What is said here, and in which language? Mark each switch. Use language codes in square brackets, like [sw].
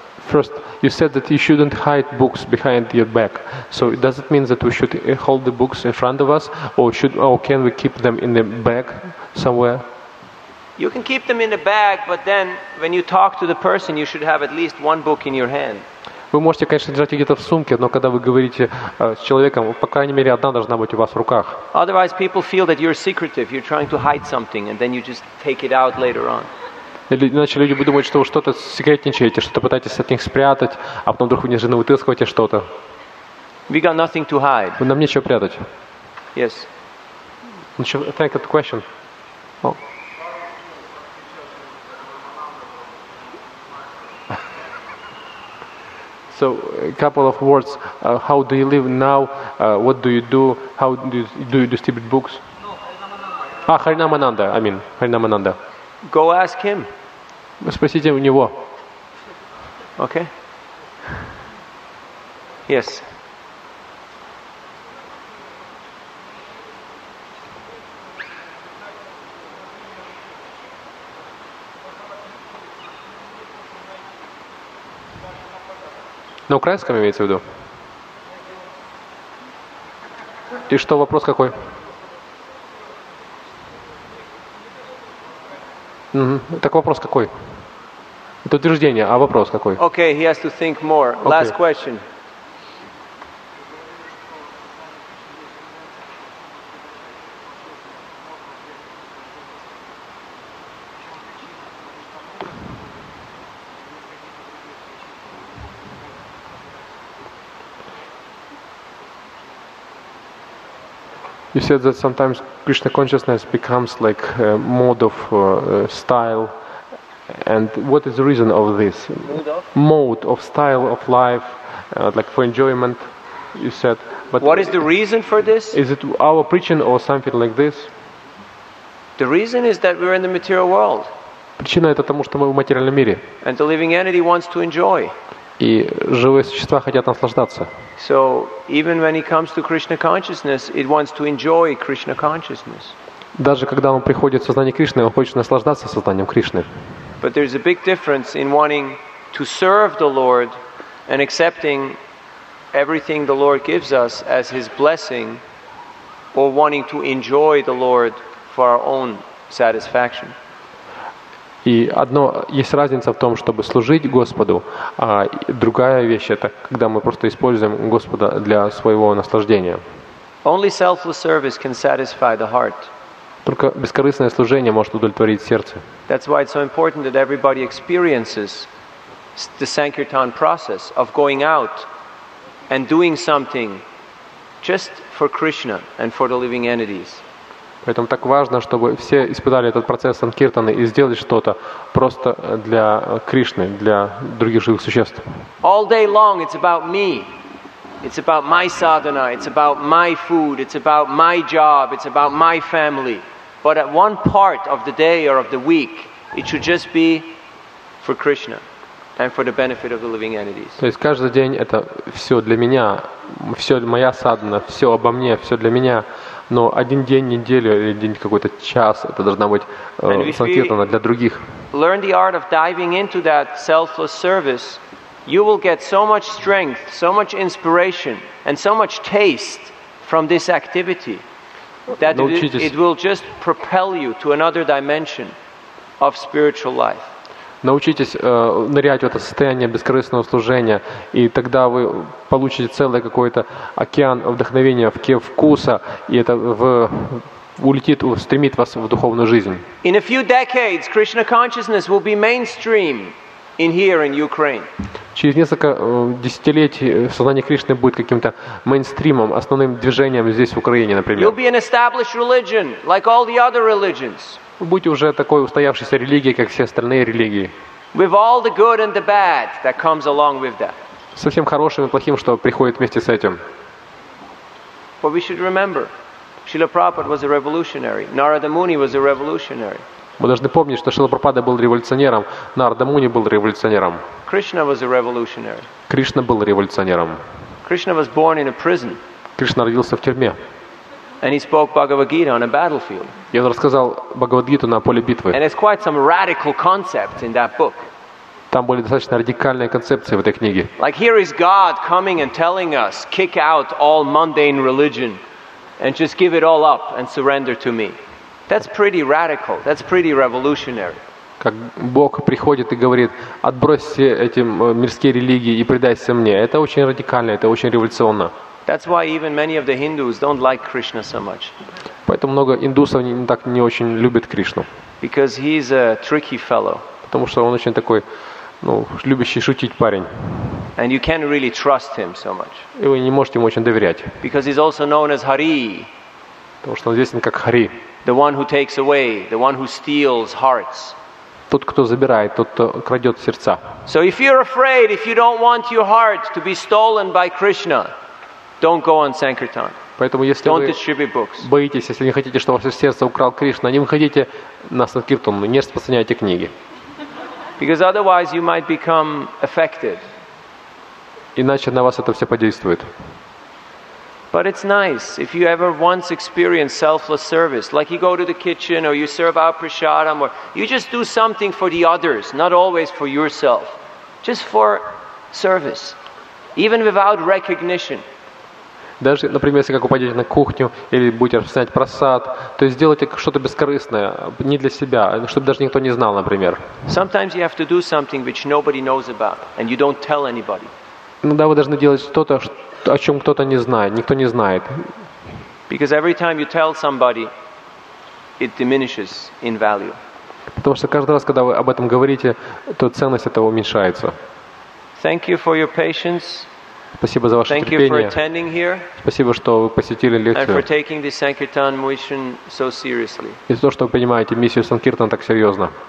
[en] First, you said that you shouldn't hide books behind your back. So does it mean that we should hold the books in front of us, or can we keep them in the bag somewhere? You can keep them in the bag, but then when you talk to the person, you should have at least one book in your hand. [ru] Вы можете, конечно, держать где-то в сумке, но когда вы говорите с человеком, по крайней мере, одна должна быть у вас в руках. [en] Otherwise, people feel that you're secretive. You're trying to hide something, and then you just take it out later on. [ru] Иначе люди будут думать, что вы что-то секретничаете, что-то пытаетесь от них спрятать, а потом вдруг внезапно вытаскиваете что-то. [en] We got nothing to hide. [ru] Нам нечего прятать. [en] Yes. Thank you for the question. Oh. So, a couple of words. How do you live now? What do you do? How do you distribute books? No, Харинамананда. Ah, Харинамананда. Go ask him. [ru] Спросите у него. [en] Okay. Yes. [ru] На украинском имеется в виду? И что, вопрос какой? Так вопрос какой? Это утверждение, а вопрос какой? [en] Okay, he has to think more. Okay. Last question. You said that sometimes Krishna consciousness becomes like a mode of style. And what is the reason of this mode of style of life, like for enjoyment, you said. But what is the reason for this? Is it our preaching or something like this? The reason is that we're in the material world. [ru] Причина это тому, что мы в материальном мире. [en] And the living entity wants to enjoy. [ru] И живые существа хотят наслаждаться. [en] So even when it comes to Krishna consciousness, it wants to enjoy Krishna consciousness. [ru] Даже когда он приходит в сознание Кришны, он хочет наслаждаться сознанием Кришны. [en] But there's a big difference in wanting to serve the Lord and accepting everything the Lord gives us as His blessing, or wanting to enjoy the Lord for our own satisfaction. [ru] И одно есть разница в том, чтобы служить Господу, а другая вещь это когда мы просто используем Господа для своего наслаждения. [en] Only selfless service can satisfy the heart. [ru] Только бескорыстное служение может удовлетворить сердце. [en] That's why it's so important that everybody experiences the sankirtan process of going out and doing something just for Krishna and for the living entities. [ru] Поэтому так важно, чтобы все испытали этот процесс санкиртаны и сделали что-то просто для Кришны, для других живых существ. [en] All day long it's about me. It's about my sadhana, it's about my food, it's about my job, it's about my family. But at one part of the day or of the week, it should just be for Krishna and for the benefit of the living entities. [ru] То есть каждый день это все для меня, все моя садхана, все обо мне, все для меня. Но один день недели или день какой-то час это должно быть санкиртана для других. [en] Learn the art of diving into that selfless service. You will get so much strength, so much inspiration, and so much taste from this activity that it will just propel you to another dimension of spiritual life. [ru] Научитесь нырять в это состояние бескорыстного служения, и тогда вы получите целый какой-то океан вдохновения, в океан вкуса, и это улетит, устремит вас в духовную жизнь. [en] In a few decades, Krishna consciousness will be mainstream in here in Ukraine. [ru] Через несколько десятилетий сознание Кришны будет каким-то мейнстримом, основным движением здесь, в Украине, например. [en] You'll be an established religion, like all the other religions. [ru] Вы будете уже такой устоявшейся религией, как все остальные религии. [en] With all the good and the bad that comes along with that. [ru] Со всем хорошим и плохим, что приходит вместе с этим. [en] But we should remember, Srila Prabhupada was a revolutionary. Narada Muni was a revolutionary. [ru] Мы должны помнить, что Шрила Прабхупада был революционером, Нарада Муни был революционером. [en] Krishna was a revolutionary. [ru] Кришна был революционером. [en] Krishna was born in a prison. [ru] Кришна родился в тюрьме. [en] And he spoke Bhagavad Gita on a battlefield. [ru] И он рассказал Бхагавад-гиту на поле битвы. [en] And it's quite some radical concepts in that book. [ru] Там были достаточно радикальные концепции в этой книге. [en] Like here is God coming and telling us, kick out all mundane religion and just give it all up and surrender to me. That's pretty radical. That's pretty revolutionary. [ru] Как Бог приходит и говорит: отбрось все эти мирские религии и предайся мне. Это очень радикально, это очень революционно. [en] That's why even many of the Hindus don't like Krishna so much. [ru] Поэтому много индусов не так не очень любят Кришну. [en] Because he's a tricky fellow. [ru] Потому что он очень такой, ну, любящий шутить парень. [en] And you can't really trust him so much. [ru] И вы не можете ему очень доверять. [en] Because he's also known as Hari. [ru] Потому что он известен как Хари. [en] The one who takes away, the one who steals hearts. [ru] Тот, кто забирает, тот, кто крадет сердца. [en] So if you're afraid, if you don't want your heart to be stolen by Krishna, don't go on sankirtan. [ru] Поэтому если [en] don't [ru] вы [en] distribute books. [ru] Боитесь, если не хотите, чтобы ваше сердце украл Кришна, не выходите на санкиртан, не распространяйте книги. [en] Because otherwise you might become affected. [ru] Иначе на вас это все подействует. [en] But it's nice if you ever once experience selfless service, like you go to the kitchen or you serve out prasadam or you just do something for the others, not always for yourself, just for service, even without recognition. [ru] Даже, например, если как упадете на кухню или будете распространять просад, то есть сделайте что-то бескорыстное, не для себя, чтобы даже никто не знал, например. [en] Sometimes you have to do something which nobody knows about and you don't tell anybody. [ru] Иногда вы должны делать что-то, о чем кто-то не знает, никто не знает. [en] Because every time you tell somebody, it diminishes in value. [ru] Потому что каждый раз, когда вы об этом говорите, то ценность этого уменьшается. [en] Thank you for your patience. [ru] Спасибо за ваше терпение. [en] Thank you for attending here. [ru] Спасибо, что вы посетили лекцию. [en] And for taking the Sankirtan mission so seriously. [ru] И за то, что вы принимаете миссию Санкиртан так серьезно.